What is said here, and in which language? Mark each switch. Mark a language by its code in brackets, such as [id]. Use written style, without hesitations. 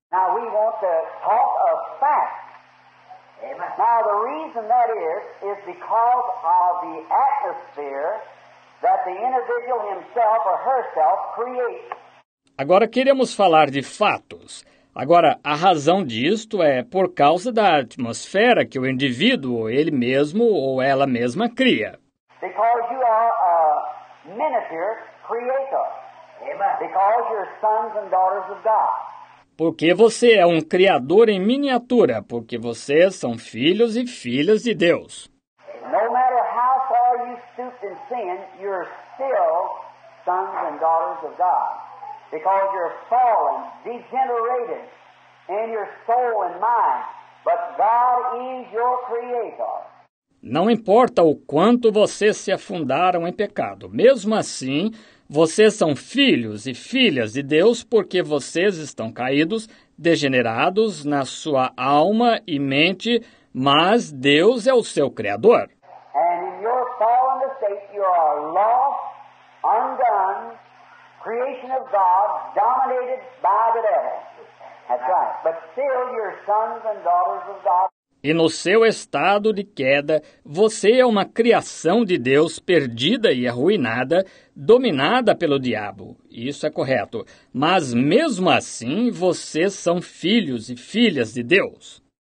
[en] Now we want to talk of facts. Now the reason that is because of the atmosphere that the individual himself or herself creates. [pt] Agora queremos falar de fatos. Agora, a razão disto é por causa da atmosfera que o indivíduo, ele mesmo ou ela mesma, cria. [en] Because you are a miniature creator. Amen. Because you're sons and daughters of God. [pt] Porque você é um criador em miniatura, porque vocês são filhos e filhas de Deus. [en] No matter how far you stooped in sin, you're still sons and daughters of God. Because you're fallen, degenerated in your soul and mind. But God is your creator. [pt] Não importa o quanto vocês se afundaram em pecado, mesmo assim, vocês são filhos e filhas de Deus porque vocês estão caídos, degenerados na sua alma e mente, mas Deus é o seu Criador. [en] And in your fallen state, you are lost, undone, creation of God, dominated by the devil. That's right. But still, you're sons and daughters of God. [pt] E no seu estado de queda, você é uma criação de Deus perdida e arruinada, dominada pelo diabo. Isso é correto. Mas mesmo assim, vocês são filhos e filhas de Deus.